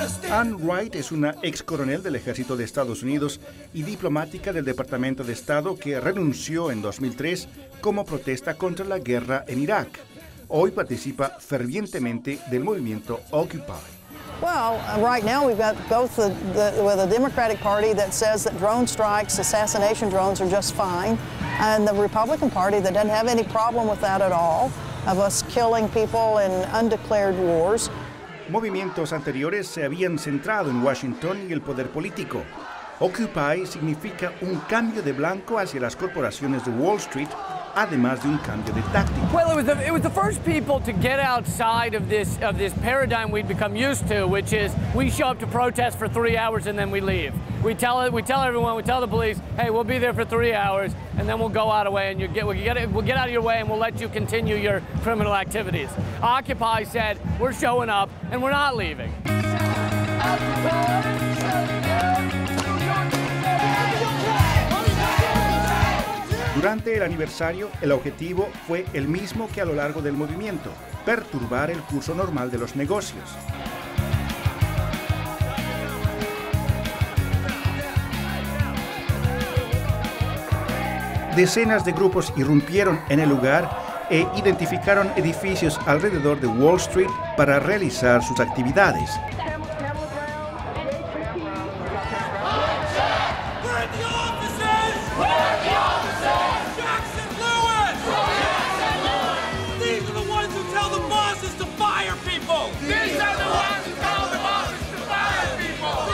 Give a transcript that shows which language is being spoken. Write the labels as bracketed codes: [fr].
[es] Anne Wright es una ex coronel del ejército de Estados Unidos y diplomática del Departamento de Estado que renunció en 2003 como protesta contra la guerra en Irak. Hoy participa fervientemente del movimiento Occupy. [en] Well, right now we've got both with a Democratic Party that says that drone strikes, assassination drones are just fine, and the Republican Party that doesn't have any problem with that at all, of us killing people in undeclared wars. [es] Movimientos anteriores se habían centrado en Washington y el poder político. Occupy significa un cambio de blanco hacia las corporaciones de Wall Street, además de un cambio de táctica. [en] Well, it was the first people to get outside of this paradigm we'd become used to, which is we show up to protest for 3 hours and then we leave. We tell the police, hey, we'll be there for 3 hours and then we'll go out of way and we'll get out of your way and we'll let you continue your criminal activities. Occupy said, we're showing up and we're not leaving. [es] Durante el aniversario, el objetivo fue el mismo que a lo largo del movimiento, perturbar el curso normal de los negocios. Decenas de grupos irrumpieron en el lugar e identificaron edificios alrededor de Wall Street para realizar sus actividades. [en] These are the ones who tell the bosses to fire people!